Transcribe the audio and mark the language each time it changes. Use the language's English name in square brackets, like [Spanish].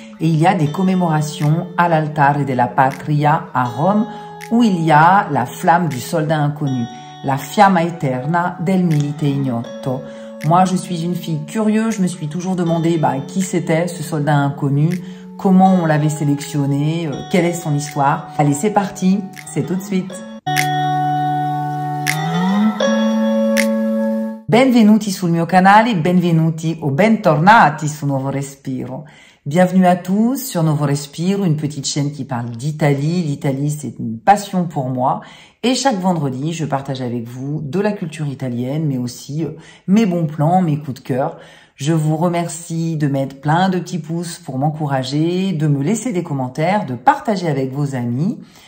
[French] Et il y a des commémorations à l'altar de la Patria à Rome, où il y a la flamme du soldat inconnu, [Italian] la fiamma eterna del milite ignoto. [French] Moi, je suis une fille curieuse, je me suis toujours demandé qui c'était ce soldat inconnu, comment on l'avait sélectionné, quelle est son histoire. Allez, c'est parti, c'est tout de suite. [Italian] Benvenuti sul mio canale, benvenuti o bentornati su Nuovo Respiro. [French] Bienvenue à tous sur Nuovo Respiro, une petite chaîne qui parle d'Italie. L'Italie, c'est une passion pour moi. Et chaque vendredi, je partage avec vous de la culture italienne, mais aussi mes bons plans, mes coups de cœur. Je vous remercie de mettre plein de petits pouces pour m'encourager, de me laisser des commentaires, de partager avec vos amis.